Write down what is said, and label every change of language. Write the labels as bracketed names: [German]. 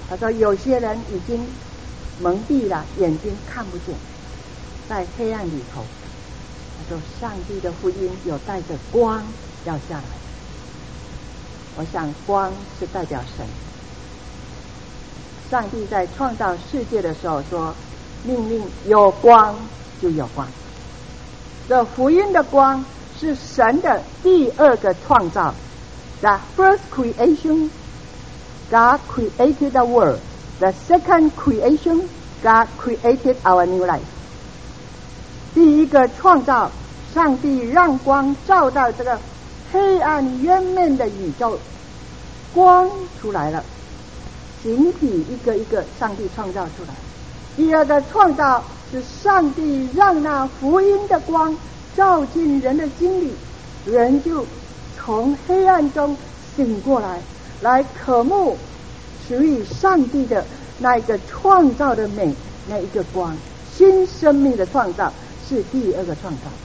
[Chinese] 他说有些人已经蒙蔽了眼睛，看不见，在黑暗里头。他说上帝的福音有带着光要下来。我想光是代表神。上帝在创造世界的时候说，命令有光就有光。这福音的光是神的第二个创造， [English] The first creation God created the world. The second creation God created our new life. [Chinese] 第一个创造，上帝让光照到这个黑暗渊面的宇宙，光出来了，形体一个一个上帝创造出来。第二个创造是上帝让那福音的光照进人的心里，人就从黑暗中醒过来，来渴慕属于上帝的那一个创造的美，那一个光，新生命的创造是第二个创造。